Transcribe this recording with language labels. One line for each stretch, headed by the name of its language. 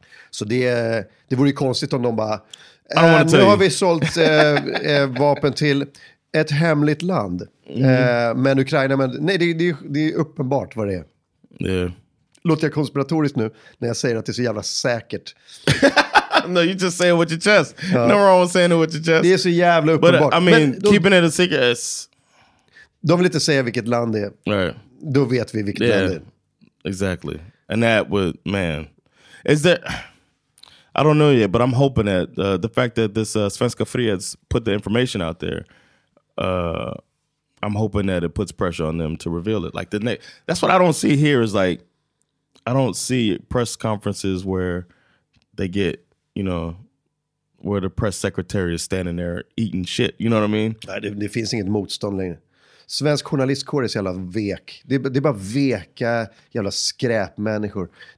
Swedish: Så det vore ju konstigt om de bara, nu har vi sålt vapen till ett hemligt land. Men Ukraina, det är uppenbart vad det är.
English: Yeah.
Swedish: Låter jag konspiratoriskt nu när jag säger att det är så jävla säkert.
English: No, you just say it with your chest. No wrong with saying it with your chest.
Swedish: Det är så jävla uppenbart.
English: But I mean, keeping it a secret is...
Swedish: De vill inte säga vilket land det är.
English: Right.
Swedish: Då vet vi vilket land det är.
English: Exactly. And that would, man. Is there... I don't know yet, but I'm hoping that the fact that this Svenska Freds put the information out there, I'm hoping that it puts pressure on them to reveal it. Like that's what I don't see here is like, I don't see press conferences where they get, you know, where the press secretary is standing there eating shit. You know what I mean?
Swedish: Nej, det finns inget motstånd längre. Svensk journalistkår är så jävla vek. Det är bara veka jävla skräpmänniskor.